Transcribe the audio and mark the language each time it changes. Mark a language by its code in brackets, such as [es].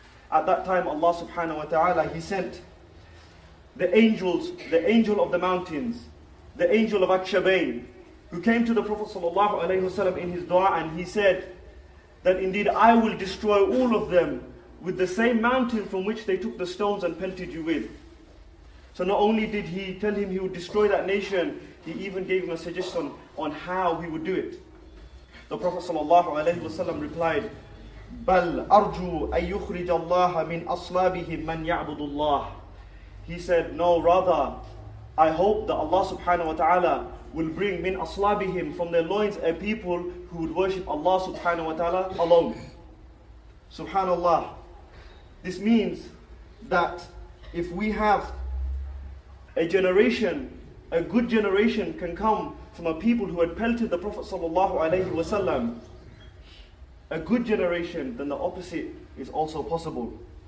[en] At that time, Allah subhanahu wa ta'ala, he sent the angels, the angel of the mountains, the angel of Akshabain, who came to the Prophet sallallahu alayhi wasallam in his dua, and he said, that indeed I will destroy all of them with the same mountain from which they took the stones and pelted you with. So not only did he tell him he would destroy that nation, he even gave him a suggestion on how he would do it. The Prophet sallallahu alaihi wasallam replied, [ar] بَلْ أَرْجُوا أَن يُخْرِجَ اللَّهَ مِنْ أَصْلَابِهِمْ مَنْ يَعْبُدُ اللَّهِ. [en] He said, no, rather, I hope that Allah subhanahu wa ta'ala will bring min aslabihim, from their loins, a people who would worship Allah subhanahu wa ta'ala alone. Subhanallah. This means that if we have a generation, a good generation can come from a people who had pelted the Prophet sallallahu alayhi wa sallam, a good generation, then the opposite is also possible.